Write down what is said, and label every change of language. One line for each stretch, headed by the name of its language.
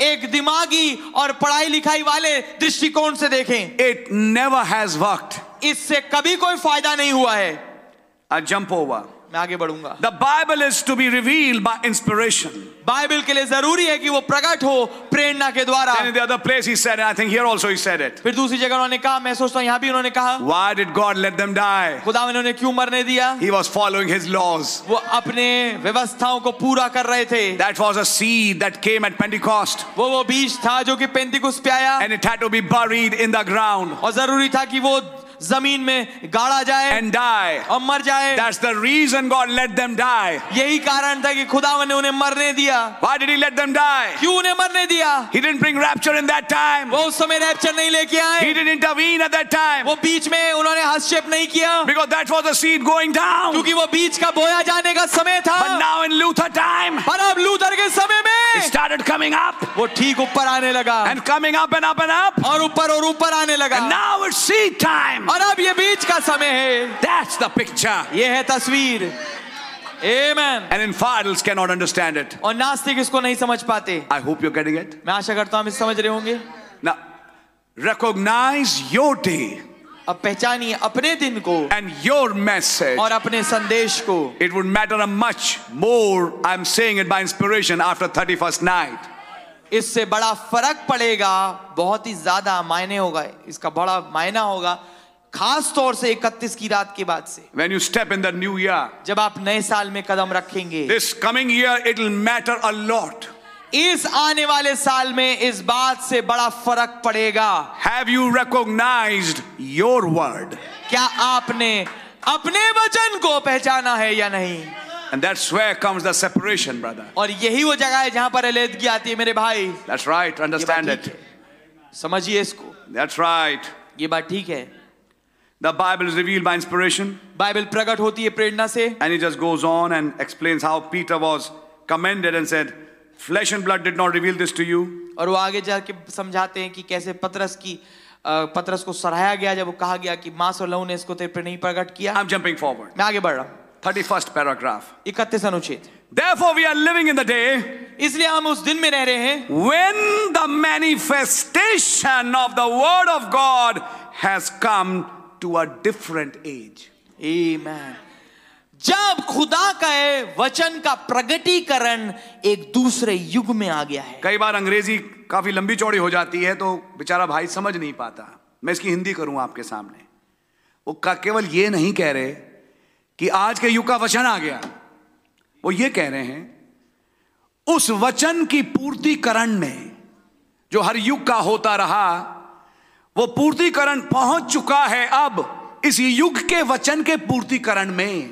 Hindi: एक दिमागी और पढ़ाई लिखाई वाले दृष्टिकोण से देखें.
English: It never has worked.
Hindi: इससे कभी कोई फायदा नहीं हुआ है.
English: I jump over.
Hindi: मैं आगे बढ़ूंगा.
English: The Bible is to be revealed by inspiration.
Hindi: Bible के लिए जरूरी है कि वो प्रकट हो प्रेरणा के द्वारा.
English: Then in the other place he said, and I think here also he said it.
Hindi: फिर दूसरी जगह उन्होंने कहा. मैं सोचता हूँ यहाँ भी उन्होंने कहा.
English: Why did God let them die?
Hindi: खुदा ने उन्हें क्यों मरने दिया?
English: He was following His laws.
Hindi: वो अपने व्यवस्थाओं को पूरा कर रहे थे.
English: That was a seed that came at Pentecost.
Hindi: वो बीज था जो कि पेंटिकॉस्ट पे आया.
English: And it had to be buried in the ground.
Hindi: और जरूरी था कि वो जमीन में गाड़ा जाए.
English: And die.
Hindi: और मर जाए.
English: That's the reason God let them die.
Hindi: यही कारण था कि खुदा ने उन्हें मरने दिया.
English: Why did He let them die?
Hindi: क्यों उन्हें मरने दिया?
English: He didn't bring rapture in that time.
Hindi: वो उस समय रैप्चर नहीं लेके आए.
English: He didn't intervene at that time.
Hindi: वो बीच में उन्होंने हस्तक्षेप नहीं किया.
English: Because that was the seed going down.
Hindi: क्योंकि वो बीच का बोया जाने का समय था.
English: But now in Luther time.
Hindi: पर अब लूथर के समय में.
English: It started coming up.
Hindi: वो ठीक ऊपर आने लगा.
English: And coming up and up and up.
Hindi: और ऊपर आने लगा.
English: And now it's seed time.
Hindi: और अब ये बीच का समय है.
English: That's the picture.
Hindi: ये है तस्वीर. Amen.
English: And infidels cannot understand it.
Hindi: और नास्तिक इसको नहीं समझ पाते.
English: I hope you're getting it.
Hindi: मैं आशा करता हूँ आप इसे समझ रहे होंगे.
English: Now, recognize your day.
Hindi: अब पहचानिए अपने दिन को.
English: And your message.
Hindi: और अपने संदेश को.
English: It would matter a much more. I'm saying it by inspiration after 31st night.
Hindi: इससे बड़ा फर्क पड़ेगा. बहुत ही ज्यादा मायने होगा. इसका बड़ा मायना होगा खास तौर से 31 की रात के बाद से
English: When you step in the new year,
Hindi: जब आप नए साल में कदम रखेंगे
English: This coming year, it'll matter a lot.
Hindi: इस आने वाले साल में इस बात से बड़ा फर्क पड़ेगा
English: Have you recognized your word?
Hindi: क्या आपने अपने वचन को पहचाना है या नहीं
English: And that's where comes the separation, brother.
Hindi: और यही वो जगह है जहां पर अलगी आती है मेरे भाई
English: That's right, understand it.
Hindi: समझिए इसको
English: That's right.
Hindi: ये बात ठीक है
English: The Bible is revealed by inspiration.
Hindi: Bible प्रकट होती है प्रेरणा से.
English: And it just goes on and explains how Peter was commended and said, "Flesh and blood did not reveal this to you."
Hindi: और वो आगे जाके समझाते हैं कि कैसे पतरस को सराहा गया जब वो कहा गया कि मांस और लहू ने इसको तेरे पर नहीं प्रकट किया.
English: I'm jumping forward.
Hindi: मैं आगे बढ़ रहा हूँ.
English: 31st paragraph.
Hindi: 31st अनुच्छेद.
English: Therefore, we are living in the day.
Hindi: इसलिए हम उस दिन में रह रहे हैं.
English: When the manifestation of the word of God has come. To a different age. Amen.
Hindi: जब खुदा का वचन का प्रगटीकरण एक दूसरे युग में आ गया है कई बार अंग्रेजी काफी लंबी चौड़ी हो जाती है तो बेचारा भाई समझ नहीं पाता मैं इसकी हिंदी करूं आपके सामने वो केवल ये नहीं कह रहे कि आज के युग का वचन आ गया वो ये कह रहे हैं उस वचन की पूर्तिकरण में जो हर युग का होता रहा वो पूर्तिकरण पहुंच चुका है अब इस युग के वचन के पूर्तिकरण में